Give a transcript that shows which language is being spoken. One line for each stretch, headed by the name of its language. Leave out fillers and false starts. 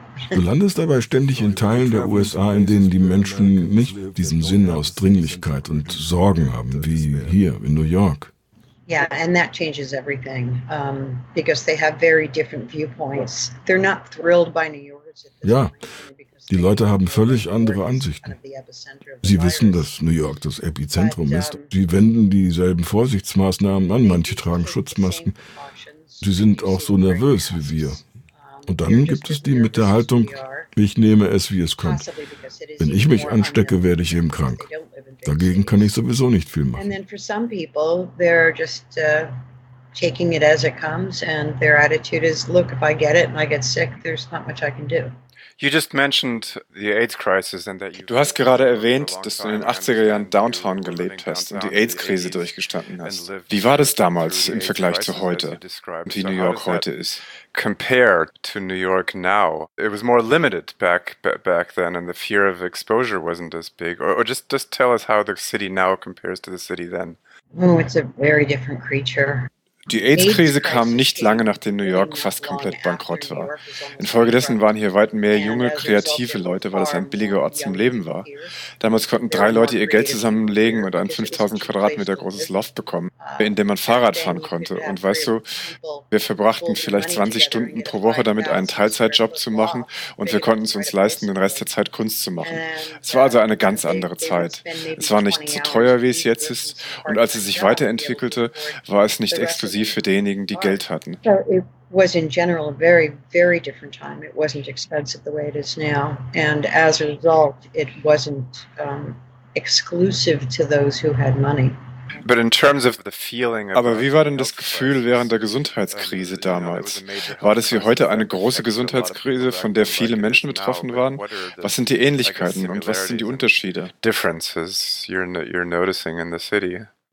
German: Du landest dabei ständig in Teilen der USA, in denen die Menschen nicht diesen Sinn aus Dringlichkeit und Sorgen haben, wie hier in New York.
English: Yeah, and that changes everything, because they have very different viewpoints. They're not thrilled by New Yorkers.
German: Ja, die Leute haben völlig andere Ansichten. Sie wissen, dass New York das Epizentrum ist. Sie wenden dieselben Vorsichtsmaßnahmen an. Manche tragen Schutzmasken. Sie sind auch so nervös wie wir. Und dann gibt es die mit der Haltung, ich nehme es, wie es kommt. Wenn ich mich anstecke, werde ich eben krank. Dagegen kann ich sowieso nicht viel machen.
English: And then for some people, they're just taking it as it comes and their attitude is, look, if I get it and I get sick, there's not much I can do. You just mentioned the AIDS crisis and that you.
German: Du hast gerade erwähnt, dass du in den 80er Jahren downtown gelebt hast und die AIDS-Krise durchgestanden hast. Wie war das damals im Vergleich zu heute und wie New York heute ist?
English: Compared to New York now, it was more limited back then, and the fear of exposure wasn't as big. Or just tell us how the city now compares to the city then. Oh, it's a very different creature.
German: Die AIDS-Krise kam nicht lange, nachdem New York fast komplett bankrott war. Infolgedessen waren hier weit mehr junge, kreative Leute, weil es ein billiger Ort zum Leben war. Damals konnten 3 Leute ihr Geld zusammenlegen und ein 5000 Quadratmeter großes Loft bekommen, in dem man Fahrrad fahren konnte. Und weißt du, wir verbrachten vielleicht 20 Stunden pro Woche damit, einen Teilzeitjob zu machen und wir konnten es uns leisten, den Rest der Zeit Kunst zu machen. Es war also eine ganz andere Zeit. Es war nicht so teuer, wie es jetzt ist. Und als es sich weiterentwickelte, war es nicht exklusiv. Sie für diejenigen, die Geld hatten.
English: So it was in general a very, very different time. It wasn't expensive the way it is now. And as a result, it wasn't exclusive to those who had money. But in terms of the feeling of.
German: Aber wie war denn das Gefühl während der Gesundheitskrise damals? War das wie heute eine große Gesundheitskrise, von der viele Menschen betroffen waren? Was sind die Ähnlichkeiten und was sind die Unterschiede?
English: Differences you're noticing in the city.